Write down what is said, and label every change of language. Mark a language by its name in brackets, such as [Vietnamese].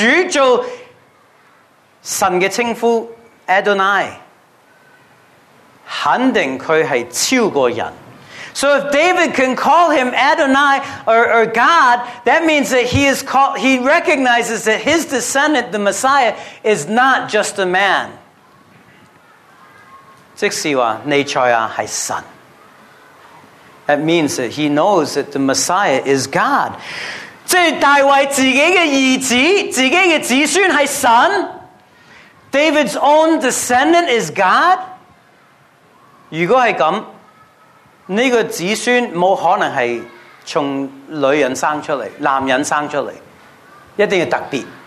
[Chinese] 如果大卫可以称呼他做主，做神的称呼 Adonai, 肯定他是超过人. [English] So if David can call him Adonai or God, that means that he recognizes that his descendant, the Messiah, is not just a man. [Chinese] 即是说,尼赛亚是神. [English] That means that he knows that the Messiah is God. [Chinese] 即是大卫自己的儿子,自己的子孙是神. [English] David's own descendant is God. [Chinese] 如果是这样, 这个子孙没可能是从女人生出来,男人生出来,一定要特别.